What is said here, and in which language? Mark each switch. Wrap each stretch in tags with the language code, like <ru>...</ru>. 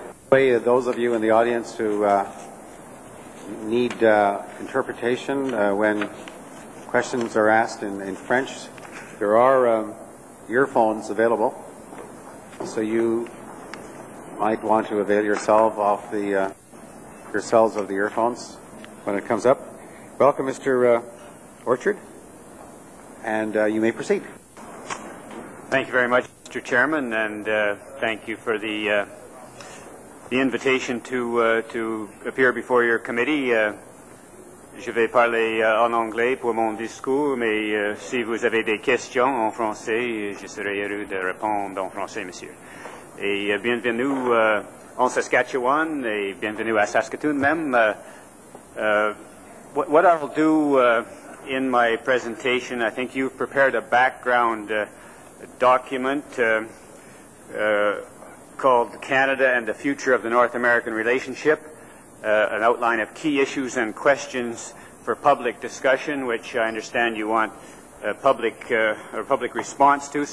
<en>By those of you in the audience who need interpretation when questions are asked in French, there are earphones available, so you might want to avail yourself of the yourselves of the earphones when it comes up. Welcome, Mr. Orchard, and you may proceed. Thank you very much, Mr. Chairman, and thank you for the invitation to appear before your committee.</en> <fr>Je vais parler en anglais pour mon discours, mais si vous avez des questions en français, je serai heureux de répondre en français, monsieur. Et bienvenue en Saskatchewan, et bienvenue à Saskatoon même.</fr> <en>What I'll do in my presentation, I think you've prepared a background document called Canada and the Future of the North American Relationship, an outline of key issues and questions for public discussion, which I understand you want public response to.</en>